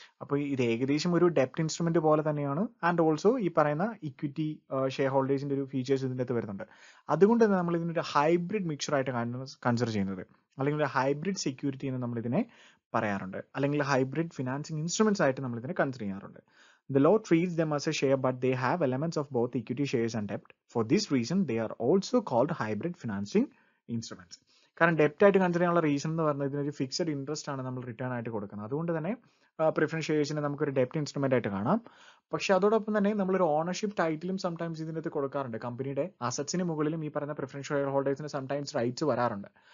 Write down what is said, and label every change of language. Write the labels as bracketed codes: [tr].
[ml] അപ്പോൾ ഇത് ഏകദേശം ഒരു ഡെപ്റ്റ് ഇൻസ്ട്രുമെന്റ് പോലെ തന്നെയാണ്. ആൻഡ് ഓൾസോ ഈ പറയുന്ന ഇക്വിറ്റി ഷെയർ ഹോൾഡേഴ്സിൻ്റെ ഒരു ഫീച്ചേഴ്സ് ഇതിൻ്റെ അകത്ത് വരുന്നുണ്ട്. അതുകൊണ്ട് തന്നെ നമ്മൾ ഇതിനൊരു ഹൈബ്രിഡ് മിക്സർ ആയിട്ട് കൺസിഡർ ചെയ്യുന്നത് അല്ലെങ്കിൽ ഒരു ഹൈബ്രിഡ് സെക്യൂരിറ്റി എന്ന് നമ്മൾ ഇതിനെ പറയാറുണ്ട് അല്ലെങ്കിൽ ഹൈബ്രിഡ് ഫിനാൻസിങ് ഇൻസ്ട്രുമെന്റ്സ് ആയിട്ട് നമ്മൾ ഇതിനെ കൺസിഡർ ചെയ്യാറുണ്ട്. [en] The law treats them as a share, but they have elements of both equity shares and debt. For this reason, they are also called hybrid financing instruments. [ml] കാരണം ഡെപ്റ്റ് ആയിട്ട് consider ചെയ്യാനുള്ള reason എന്ന് പറഞ്ഞാൽ ഇതിനൊരു ഫിക്സഡ് ഇൻട്രസ്റ്റ് ആണ് നമ്മൾ return ആയിട്ട് കൊടുക്കുന്നത്. അതുകൊണ്ട് തന്നെ പ്രിഫറൻസ് ഷെയർസിനെ നമുക്കൊരു ഡെപ്റ്റ് ഇൻസ്ട്രുമെന്റ് ആയിട്ട് കാണാം. പക്ഷേ അതോടൊപ്പം തന്നെ നമ്മളൊരു ഓണർഷിപ്പ് ടൈറ്റിലും സംടൈംസ് ഇതിനകത്ത് കൊടുക്കാറുണ്ട്. കമ്പനിയുടെ അസറ്റ്സിന് മുകളിലും ഈ പറയുന്ന പ്രിഫറൻസ് ഷെയർ ഹോൾഡേഴ്സിന് സംടൈംസ് റൈറ്റ്സ് വരാറുണ്ട്.